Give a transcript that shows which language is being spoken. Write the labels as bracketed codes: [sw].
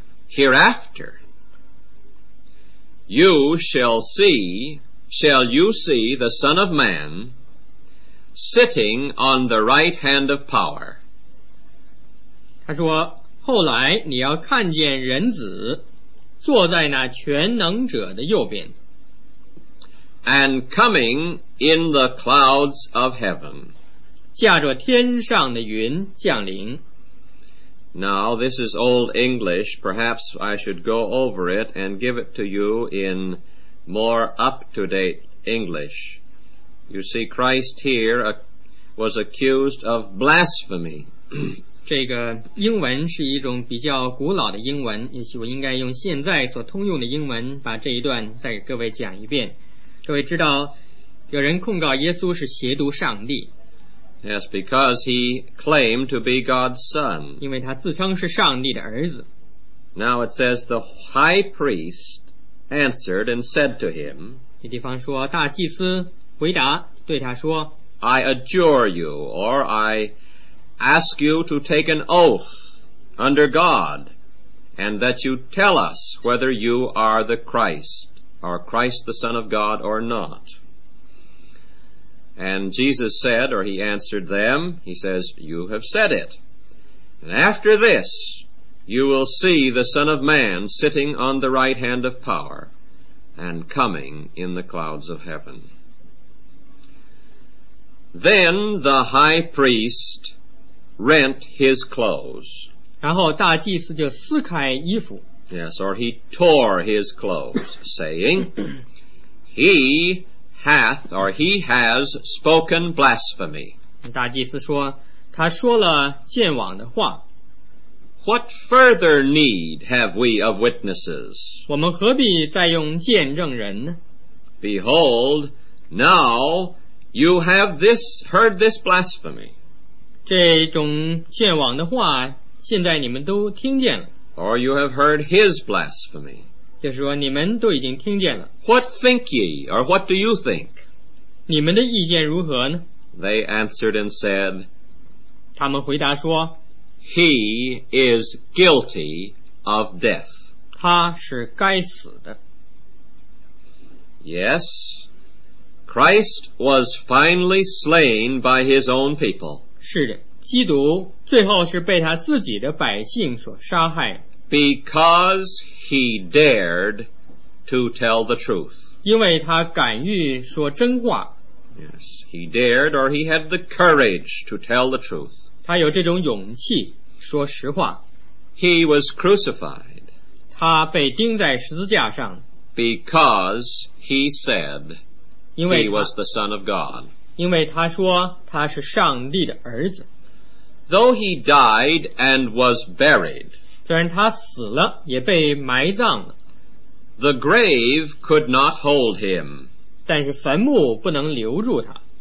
[en] Hereafter you shall you see the Son of Man sitting on the right hand of power. [zh] 他说，后来你要看见人子坐在那全能者的右边。 [en] And coming in the clouds of heaven, [zh] 驾着天上的云降临。 [en] Now, this is old English. Perhaps I should go over it and give it to you in more up-to-date English. You see, Christ here was accused of blasphemy. [zh] 这个英文是一种比较古老的英文，也许我应该用现在所通用的英文把这一段再给各位讲一遍。各位知道，有人控告耶稣是亵渎上帝。 [en] Yes, because he claimed to be God's son. [zh] 因为他自称是上帝的儿子。 [en] Now it says the high priest answered and said to him. [zh] 这地方说大祭司回答对他说 [en] ，I adjure you, or I ask you to take an oath under God, and that you tell us whether you are the Christ, or Christ the Son of God, or not. And Jesus said, or he answered them, he says, you have said it. And after this, you will see the Son of Man sitting on the right hand of power, and coming in the clouds of heaven. Then the high priest rent his clothes. [zh] 然后大祭司就撕开衣服。 [en] Yes, or he tore his clothes, saying, he has spoken blasphemy. [zh] 大祭司说，他说了见枉的话。 [en] What further need have we of witnesses? [zh] 我们何必再用见证人呢？ [en] Behold, now you have this, heard this blasphemy. [zh] 这种见枉的话现在你们都听见了。 [en] Or you have heard his blasphemy. [zh] 就是说你们都已经听见了。 [en] What think ye, or what do you think? [zh] 你们的意见如何呢？ [en] They answered and said, [zh] 他们回答说， [en] He is guilty of death. [zh] 他是该死的。 [en] Yes, Christ was finally slain by his own people. [zh] 是的，基督最后是被他自己的百姓所杀害。 [en] Because he dared to tell the truth. [zh] 因为他敢于说真话。 [en] Yes, he dared or he had the courage to tell the truth. [zh] 他有这种勇气说实话。 [en] He was crucified. [zh] 他被钉在十字架上。 [en] Because he said he was the Son of God. [zh] 因为他说他是上帝的儿子。 [en] Though he died and was buried, [zh] 虽然他死了也被埋葬了。 [en] The grave could not hold him. [zh] 但是坟墓不能留住他。